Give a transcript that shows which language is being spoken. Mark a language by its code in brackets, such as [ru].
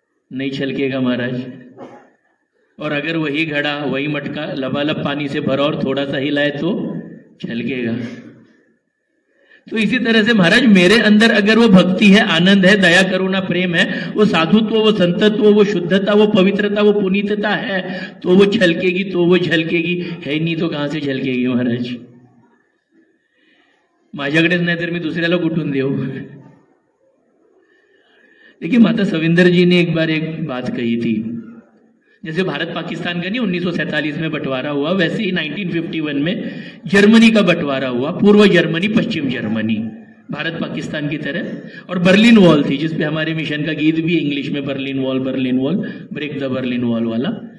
[hi] नहीं छलकेगा महाराज। और अगर वही घड़ा वही मटका लबालब पानी से भरा और थोड़ा सा हिलाए तो छलकेगा। तो इसी तरह से महाराज, मेरे अंदर अगर वो भक्ति है, आनंद है, दया करुणा प्रेम है, वो साधुत्व वो संतत्व वो शुद्धता वो पवित्रता वो पुनीतता है तो वो झलकेगी, तो वो झलकेगी, है नहीं तो कहां से झलकेगी महाराज। [mr] माझ्याकडे नाही तर मी दुसऱ्याला कुठून देऊ? [hi] देखिए माता सविंदर जी ने एक बार एक बात कही थी, जैसे भारत पाकिस्तान का नहीं 1947 में बंटवारा हुआ, वैसे ही 1951 में जर्मनी का बंटवारा हुआ, पूर्व जर्मनी पश्चिम जर्मनी, भारत पाकिस्तान की तरह। और बर्लिन वॉल थी, जिसपे हमारे मिशन का गीत भी इंग्लिश में, Berlin wall [en] break the Berlin wall [hi] वाला।